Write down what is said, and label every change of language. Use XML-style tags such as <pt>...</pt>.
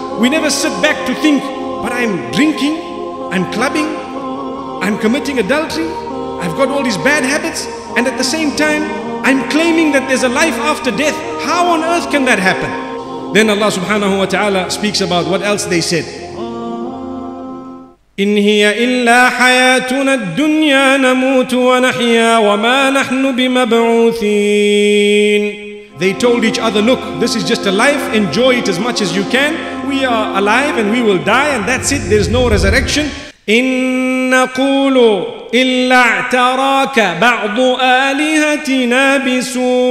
<en>We never sit back to think, but I'm drinking, I'm clubbing, I'm committing adultery, I've got all these bad habits, and at the same time, I'm claiming that there's a life after death. How on earth can that happen? Then Allah subhanahu wa ta'ala speaks about what else they said.</en> <ar>إن هي إلا حياتنا الدنيا نموت ونحيا وما نحن بمبعوثين.</ar> <en>They told each other, look, this is just a life, enjoy it as much as you can. We are alive and we will die and that's it, there's no resurrection.</en> <ar>إن نقول إلا اعتراك بعض آلهتنا بسوء.</ar>